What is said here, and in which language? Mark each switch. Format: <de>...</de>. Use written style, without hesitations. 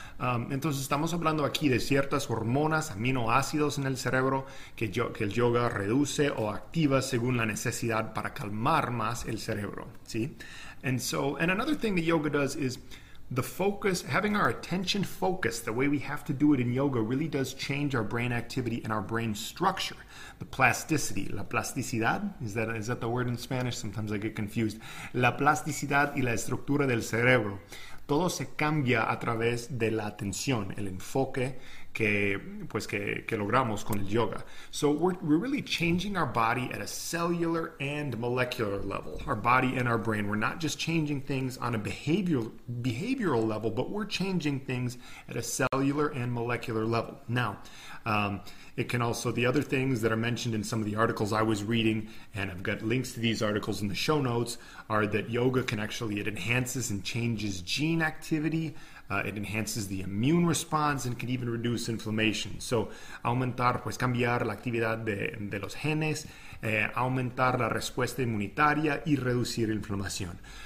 <es>Entonces, estamos hablando aquí de ciertas hormonas, aminoácidos en el cerebro, que el yoga reduce o activa según la necesidad para calmar más el cerebro, ¿sí?</es> <en>And so, and another thing that yoga does is the focus, having our attention focused the way we have to do it in yoga, really does change our brain activity and our brain structure. The plasticity,</en> <es>la plasticidad,</es> <en>is that the word in Spanish? Sometimes I get confused.</en> <es>La plasticidad y la estructura del cerebro. Todo se cambia a través de la atención, el enfoque que logramos con el yoga.</es> <en>So we're really changing our body at a cellular and molecular level, our body and our brain. We're not just changing things on a behavioral level, but we're changing things at a cellular and molecular level. Now, it can also, the other things that are mentioned in some of the articles I was reading, and I've got links to these articles in the show notes, are that yoga can actually, it enhances and changes gene activity. It enhances the immune response and can even reduce inflammation.</en> <es>So, aumentar, pues cambiar la actividad de los genes, aumentar la respuesta inmunitaria y reducir inflamación.</es>